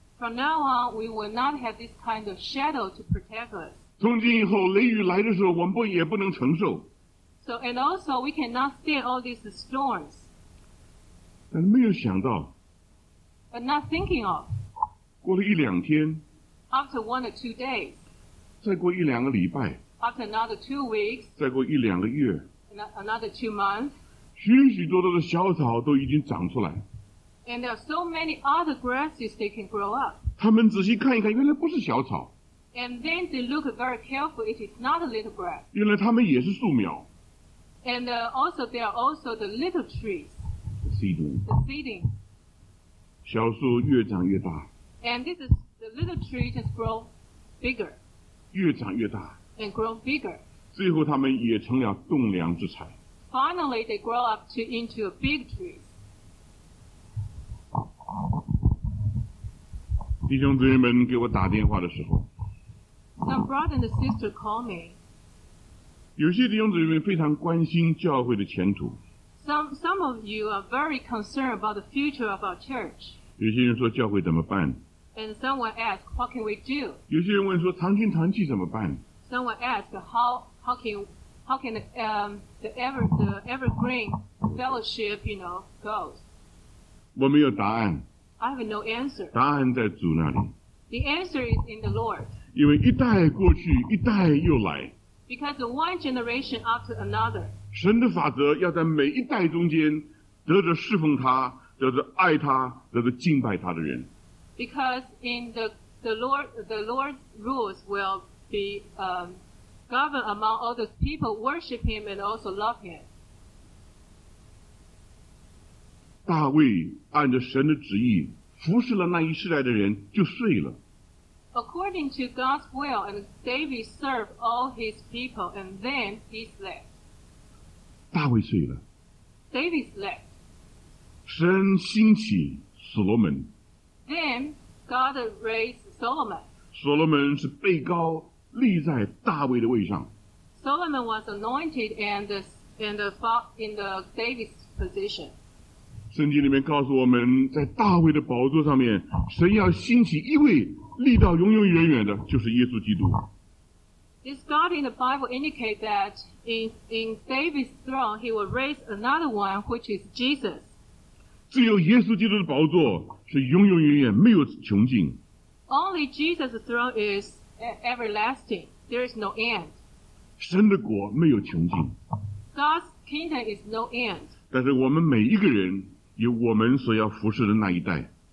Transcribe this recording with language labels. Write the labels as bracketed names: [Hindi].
[English] From now on, we will not have this kind of shadow to protect us. [Chinese] 从今以后，雷雨来的时候，我们不能承受。 [English] So and also we cannot stand all these storms. [Chinese] 但没有想到。 [English] But not thinking of. [Chinese] 过了一两天。 [English] After one or two days. [Chinese] 再过一两个礼拜。 [English] After another 2 weeks. [Chinese] 再过一两个月。 [English] Another 2 months. [Chinese] 许许多多的小草都已经长出来。 [English] And there are so many other grasses they can grow up. [Chinese] 他们仔细看一看，原来不是小草。 [English] And then they look very carefully, it is not a little grass. [Chinese] 原来它们也是树苗。 [English] And also there are also the little trees. The seedlings. The seedlings. [Chinese] 小树越长越大。 [English] And this is the little tree just grow bigger. [Chinese] 越长越大。 [English] And grow bigger. [Chinese] 最后它们也成了栋梁之材。 [English] Finally, they grow up into a big tree. [Chinese] 弟兄姊妹们给我打电话的时候， [English] Some brother and sister call me. [Chinese] 有些弟兄姊妹非常关心教会的前途。 [English] Some of you are very concerned about the future of our church. [Chinese] 有些人说教会怎么办？ [English] And someone asks, what can we do? [Chinese] 有些人问说堂亲堂戚怎么办？ [English] Someone asks, how can the evergreen fellowship, you know, goes? [Chinese] 我没有答案。 [English] I have no answer. [Chinese] 答案在主那里。 [English] The answer is in the Lord. [Chinese] 因为一代过去，一代又来。 [English] Because one generation after another. [Chinese] 神的法则要在每一代中间得着侍奉他，得着爱他，得着敬拜他的人。 [English] Because in the Lord's rules will be governed among all the people worship him and also love him. [Chinese] 大卫按着神的旨意服侍了那一世代的人，就睡了。 [English] According to God's will, and David served all his people, and then he slept. [Chinese] 大卫睡了。 [English] David slept. [Chinese] 神兴起所罗门。 [English] Then God raised Solomon. [Chinese] Solomon 是被膏立在大卫的位上。 [English] Solomon was anointed in the David's position. [Chinese] 圣经里面告诉我们，在大卫的宝座上面，神要兴起一位立到永永远远的，就是耶稣基督。 [English] This God in the Bible indicates that in David's throne, he will raise another one, which is Jesus. [Chinese] 只有耶稣基督的宝座是永永远远没有穷尽。 [English] Only Jesus' throne is everlasting. There is no end. [Chinese] 神的国没有穷尽。 [English] God's kingdom is no end. [Chinese] 但是我们每一个人有我们所要服侍的那一代。